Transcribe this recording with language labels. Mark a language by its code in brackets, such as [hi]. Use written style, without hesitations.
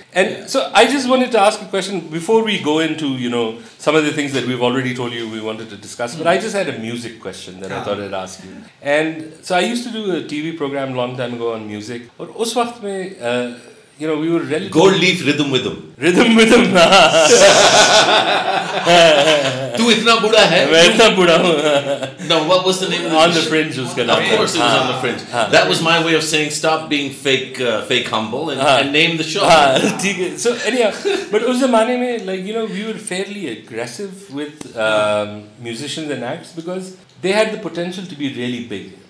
[en] And so I just wanted to ask a question before we go into, you know, some of the things that we've already told you we wanted to discuss. But I just had a music question that I thought I'd ask you. And so I used to do a TV program a long time ago on music. [hi] Aur us waqt mein, [en] you know, we were relatively... Gold Leaf Rhythm with them. Rhythm with them. [hi] तू इतना बूढ़ा है. Main itna buda hu. [en] No, what was the name of the On the Fringe was going to be. Of course it was On the Fringe. That was my way of saying stop being fake humble and name the show. So anyhow, but [hi] us zamane mein, [en] like, you know, we were fairly aggressive with musicians and acts because they had the potential to be really big.